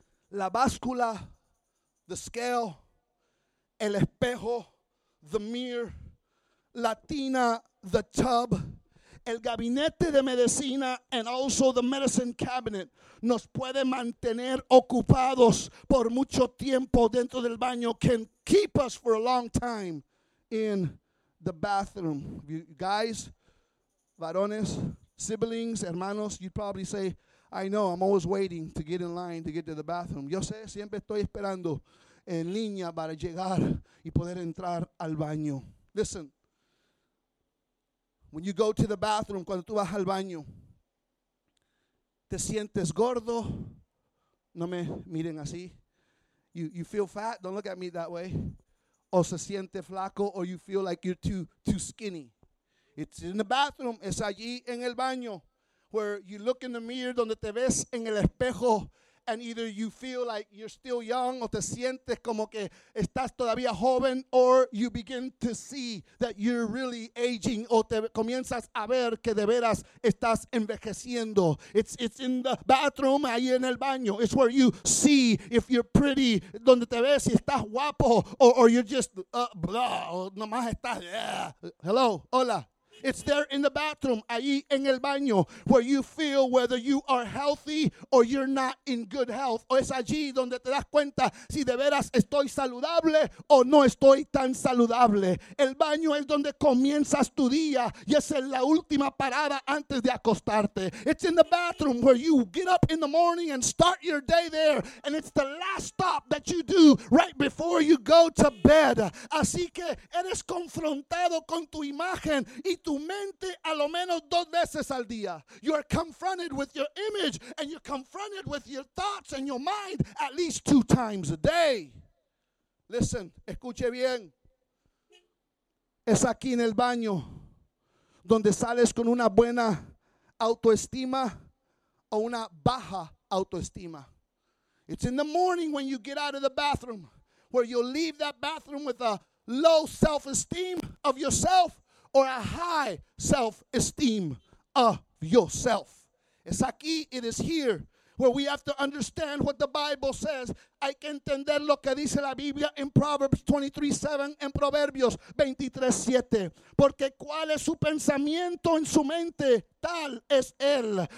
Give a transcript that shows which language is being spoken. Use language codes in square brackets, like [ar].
[es] La báscula, [en] the scale, [es] el espejo, [en] the mirror, [es] la tina, [en] the tub, [es] el gabinete de medicina, [en] and also the medicine cabinet, [es] nos puede mantener ocupados por mucho tiempo dentro del baño, [en] can keep us for a long time in the bathroom. You guys, varones, siblings, hermanos, you'd probably say, I know, I'm always waiting to get in line to get to the bathroom. [es] Yo sé, siempre estoy esperando en línea para llegar y poder entrar al baño. [en] Listen, when you go to the bathroom, [es] cuando tú vas al baño, te sientes gordo, no me miren así. [en] You feel fat, don't look at me that way. [es] O se siente flaco, [en] or you feel like you're too skinny. It's in the bathroom, [es] es allí en el baño, [en] where you look in the mirror, [es] donde te ves en el espejo, [en] and either you feel like you're still young, [es] o te sientes como que estás todavía joven, [en] or you begin to see that you're really aging, [es] o te comienzas a ver que de veras estás envejeciendo. [en] It's in the bathroom, [es] ahí en el baño. [en] It's where you see if you're pretty, [es] donde te ves si estás guapo, [en] or you're just blah, [es] o nomás estás, [en] yeah. Hello, hola. It's there in the bathroom, [es] ahí en el baño, [en] where you feel whether you are healthy or you're not in good health. [es] O es allí donde te das cuenta si de veras estoy saludable o no estoy tan saludable. El baño es donde comienzas tu día y es en la última parada antes de acostarte. [en] It's in the bathroom where you get up in the morning and start your day there. And it's the last stop that you do right before you go to bed. [es] Así que eres confrontado con tu imagen y tu mente a lo menos dos veces al día. [en] You are confronted with your image and you're confronted with your thoughts and your mind at least two times a day. Listen, [es] escuche bien. Es aquí en el baño donde sales con una buena autoestima o una baja autoestima. [en] It's in the morning when you get out of the bathroom where you leave that bathroom with a low self-esteem of yourself or a high self-esteem of yourself. [es] Es aquí, [en] it is here, where we have to understand what the Bible says. [es] Hay que entender lo que dice la Biblia en Proverbs 23:7, en Proverbios 23:7. Porque cuál es su pensamiento en su mente, tal es él.